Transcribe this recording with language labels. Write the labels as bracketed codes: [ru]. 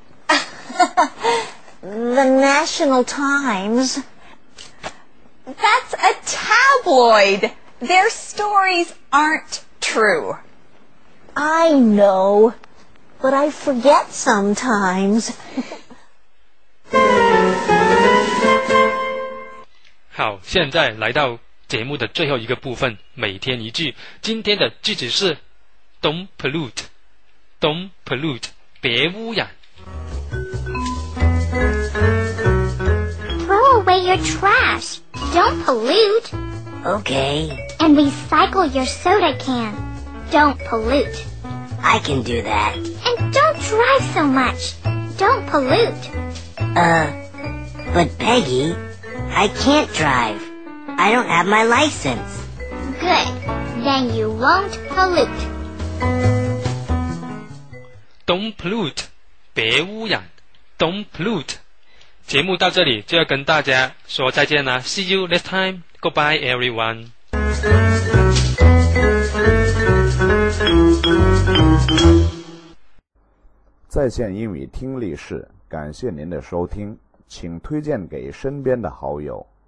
[en] The National Times. That's a tabloid. Their stories aren't true. I know, but I forget sometimes. [zh] 好，现在来到节目的最后一个部分，每天一句。今天的句子是 [en] Don't pollute, Don't pollute, [zh] 别污染。 [en] Throw away your trash, Don't pollute. Okay. And recycle your soda can, Don't pollute. I can do that. And don't drive so much, Don't pollute. But Peggy... I can't drive. I don't have my license. Good. Then you won't pollute. Don't pollute. [zh] 别污染 [en] Don't pollute. [zh] 节目到这里就要跟大家说再见了。 [en] See you next time. Goodbye, everyone. [zh] 在线英语听力室，感谢您的收听。请推荐给身边的好友。